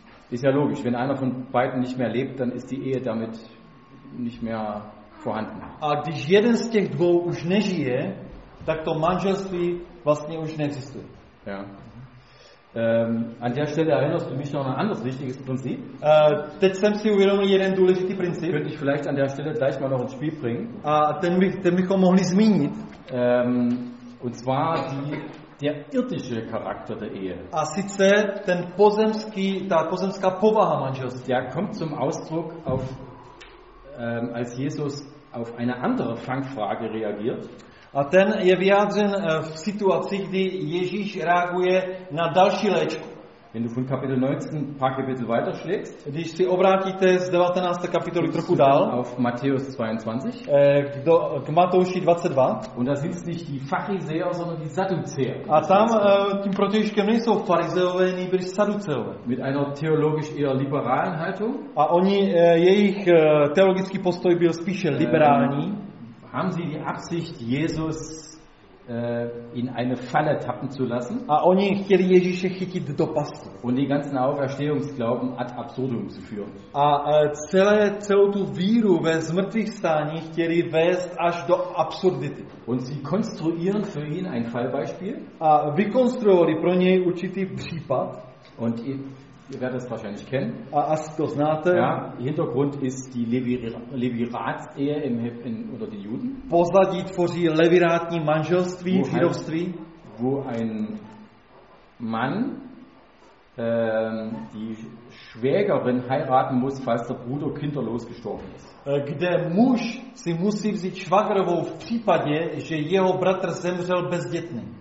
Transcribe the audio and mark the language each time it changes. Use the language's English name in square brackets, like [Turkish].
[German] Ist ja logisch, wenn einer von beiden nicht mehr lebt, dann ist die Ehe damit nicht mehr vorhanden. [Czech] A když jeden z těch dvou už nežije, tak to manželství vlastně už neexistuje. [German] Ja. An der Stelle erinnerst du mich noch an ein anderes wichtiges Prinzip. [Czech] Teď jsem si uvědomil jeden důležitý princip. [German] Könnte ich vielleicht an der Stelle gleich mal noch ins Spiel bringen. [Czech] A ten bychom mohli zmínit. [German] Und zwar die der irdische Charakter der Ehe. [Czech] A sice ten pozemský, ta pozemská povaha manželství. [German] Der kommt zum Ausdruck auf als Jesus auf eine andere Fangfrage reagiert. [Czech] A ten je vyjádřen v situaci, kdy Ježíš reaguje na další léčku. [German] Wenn du von Kapitel 19 paar Kapitel weiter schlägst, [Czech] když si obrátíte z 19. kapitoly trochu dál, [German] auf Matthäus 22, [Czech] k Matouši 22, [German] und da sind nicht die Pharisäer, sondern die Sadduzäer. [Czech] A tam tím protějškem nejsou farizeové, nýbrž saduceové. [German] Mit einer theologisch eher liberalen Haltung. [Czech] A oni, jejich teologický postoj byl spíše liberální. [German] Haben sie die Absicht, Jesus in eine Falle tappen zu lassen. [Czech] A oni chtěli Ježíše chytit do pasti. [German] Und den ganzen Auferstehungsglauben ad absurdum zu führen. [Czech] A celou tu víru ve zmrtvýchvstání chtěli vést až do absurdity. [German] Und sie konstruieren für ihn ein Fallbeispiel. [Czech] A vykonstruovali pro něj určitý případ. [German] Und ihr werdet es wahrscheinlich kennen. [Czech] A asi to znáte. [German] Ja, Hintergrund ist die Levirat-Ehe unter den Juden. [Czech] Pozadí tvoří levirátní manželství v židovství. [German] Wo ein Mann die Schwägerin heiraten muss, falls der Bruder kinderlos gestorben ist. [Czech] Kde muž si musí vzít švagrovou v případě, že jeho bratr zemřel bezdětný.